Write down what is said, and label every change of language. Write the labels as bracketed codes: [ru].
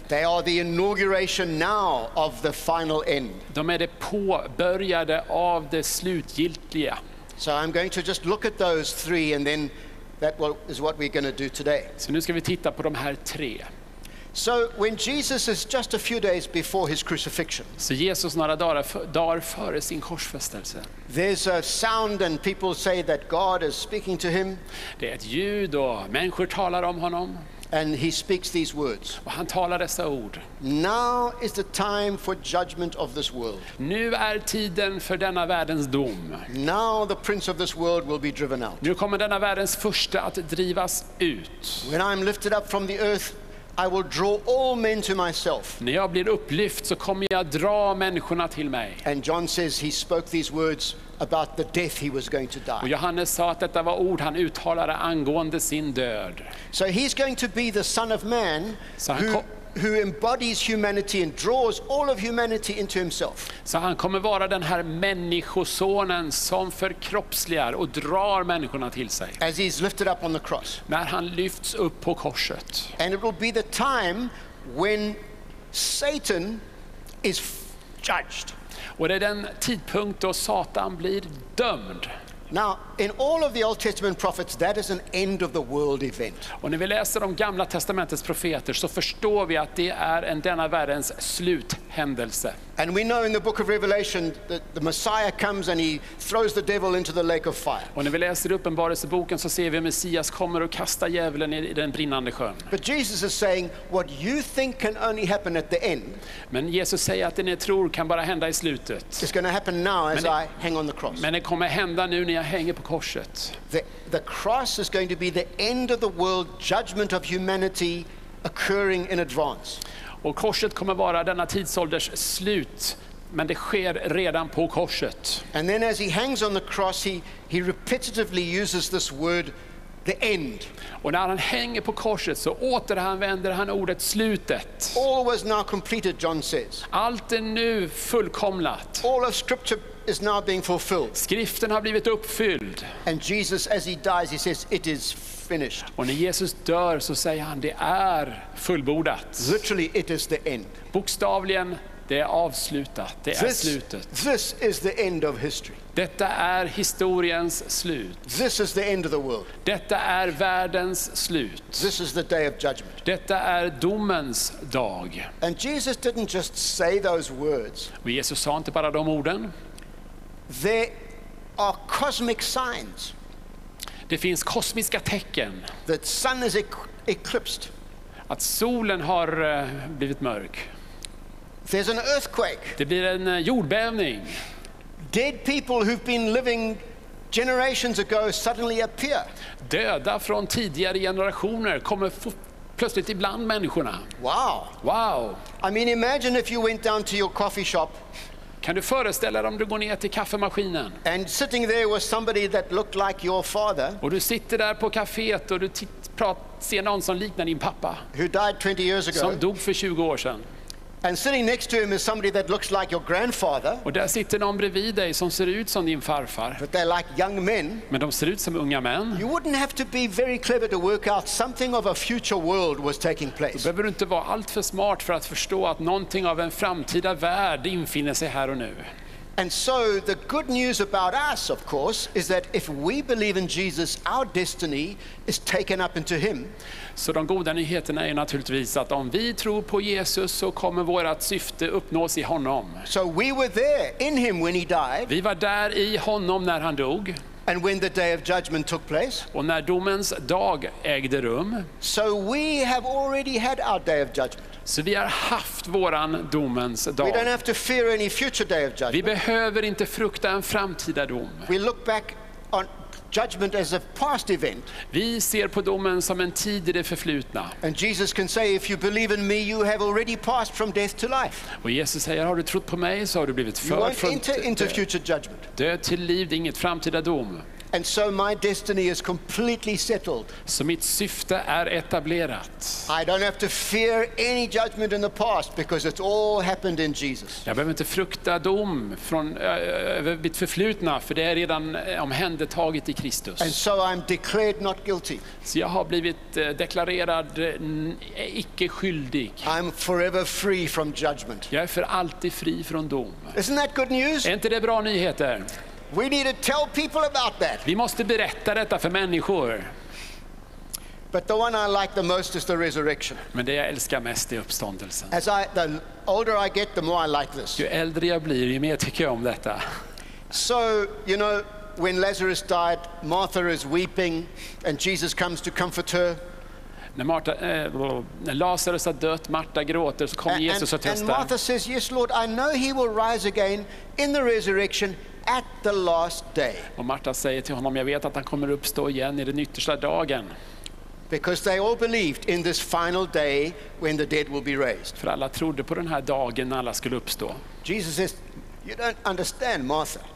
[en] They are the inauguration now of the final end. [sv] De är det påbörjade av det slutgiltiga. [en] So I'm going to just look at those three and then that is what we're going to do today. [sv] Så nu ska vi titta på de här tre. [en] So when Jesus is just a few days before his crucifixion. [sv] Så Jesus några dagar före sin korsfästelse. [en] There's a sound and people say that God is speaking to him. [sv] Det är ett ljud och människor talar om honom. [en] And he speaks these words. [sv] Och han talar dessa ord. [en] Now is the time for judgment of this world. [sv] Nu är tiden för denna världens dom. [en] Now the prince of this world will be driven out. [sv] Nu kommer denna världens första att drivas ut. [en] When I am lifted up from the earth, I will draw all men to myself. [sv] När jag blir upplyft så kommer jag dra människorna till mig. [en] And John says he spoke these words about the death he was going to die. [sv] Och Johannes sa att detta var ord han uttalade angående sin död. [en] So he's going to be the son of man who embodies humanity and draws all of humanity into himself. [sv] Så han kommer vara den här människosonen som förkroppsligar och drar människorna till sig. [en] As he's lifted up on the cross. [sv] När han lyfts upp på korset. [en] And it will be the time when Satan is judged. [sv] Och det är den tidpunkt då Satan blir dömd. [en] Now, in all of the Old Testament prophets, that is an end of the world event. [sv] Och när vi läser de gamla testamentets profeter så förstår vi att det är en denna världens sluthändelse. [en] And we know in the book of Revelation that the Messiah comes and he throws the devil into the lake of fire. [sv] Och när vi läser Uppenbarelseboken så ser vi att Messias kommer och kastar djävulen I den brinnande sjön. [en] But Jesus is saying what you think can only happen at the end. [sv] Men Jesus säger att det ni tror kan bara hända I slutet. [en] It's going to happen now as I hang on the cross. [sv] Men det kommer hända nu när jag hänger på korset. [en] The cross is going to be the end of the world judgment of humanity occurring in advance. [sv] Och korset kommer vara denna tidsålders slut, men det sker redan på korset. [en] And then as he hangs on the cross, he repetitively uses this word, the end. [sv] Och när han hänger på korset så återanvänder han ordet slutet. [en] All was now completed, John says. [sv] Allt är nu fullkomlat. [en] All of scripture is now being fulfilled. [sv] Skriften har blivit uppfylld. [en] And Jesus, as he dies, he says, it is fulfilled. Finished. [sv] Och när Jesus dör så säger han det är fullbordat. [en] Literally it is the end. [sv] Bokstavligen det är avslutat. Det är slutet. [en] This is the end of history. [sv] Detta är historiens slut. [en] This is the end of the world. [sv] Detta är världens slut. [en] This is the day of judgment. [sv] Detta är domens dag. [en] And Jesus didn't just say those words. [sv] Och Jesus sa inte bara de orden. [en] There are cosmic signs. [sv] Det finns kosmiska tecken. [en] The sun is eclipsed. [sv] Att solen har blivit mörk. [en] There's an earthquake. [sv] Det blir en jordbävning. [en] Dead people who've been living generations ago suddenly appear. [sv] Döda från tidigare generationer kommer plötsligt ibland människorna. [en] Wow. [sv] Wow. [en] I mean, imagine if you went down to your coffee shop. [sv] Kan du föreställa dig om du går ner till kaffemaskinen? [en] And sitting there was somebody that looked like your father. [sv] Och du sitter där på kaféet och du ser någon som liknar din pappa. [en] Who died 20 years ago. [sv] Som dog för 20 år sedan. [en] And sitting next to him is somebody that looks like your grandfather. [sv] Och där sitter någon bredvid dig som ser ut som din farfar. [en] But they're like young men. [sv] Men de ser ut som unga män. [en] You wouldn't have to be very clever to work out something of a future world was taking place. [sv] Du behöver inte vara allt för smart för att förstå att någonting av en framtida värld infinner sig här och nu. [en] And so the good news about us, of course, is that if we believe in Jesus, our destiny is taken up into him. [sv] Så de goda nyheterna är naturligtvis att om vi tror på Jesus så kommer vårt syfte uppnås i honom. [en] So we were there in him when he died. [sv] Vi var där i honom när han dog. [en] And when the day of judgment took place. [sv] Och när domens dag ägde rum. [en] So we have already had our day of judgment. [sv] Så vi har haft våran domens dag. [en] We don't have to fear any future day of judgment. [sv] Vi behöver inte frukta en framtida dom. [en] We look back on judgment as a past event. [sv] Vi ser på domen som en tid i det förflutna. [en] And Jesus can say, if you believe in me, you have already passed from death to life. [sv] Och Jesus säger, har du trott på mig, så har du blivit förd från [en] into future judgment. [sv] Död till liv, det är inget framtida dom. [en] And so my destiny is completely settled. [sv] Så mitt syfte är etablerat. [en] I don't have to fear any judgment in the past because it's all happened in Jesus. [sv] Jag behöver inte frukta dom från över mitt förflutna för det är redan omhändertaget i Kristus. [en] And so I'm declared not guilty. [sv] Så jag har blivit deklarerad icke skyldig. [en] I'm forever free from judgment. [sv] Jag är för alltid fri från dom. [en] Isn't that good news? [sv] Är inte det bra nyheter? [en] We need to tell people about that. [sv] Vi måste berätta detta för människor. [en] But the one I like the most is the resurrection. [sv] Men det jag älskar mest är uppståndelsen. [en] As the older I get, the more I like this. [sv] Ju äldre jag blir, ju mer tycker jag om detta. [en] So, you know, when Lazarus died, Martha is weeping and Jesus comes to comfort her. [sv] När Lazarus har dött, Martha gråter, så kommer Jesus och tröstar. [en] And Martha says, "Yes, Lord, I know he will rise again in the resurrection." At the last day. [sv] Och Martha säger till honom, jag vet att han kommer uppstå igen i den yttersta dagen. [en] Because they all believed in this final day when the dead will be raised. [sv] För alla trodde på den här dagen när alla skulle uppstå. [en] Jesus says, you don't understand, Martha.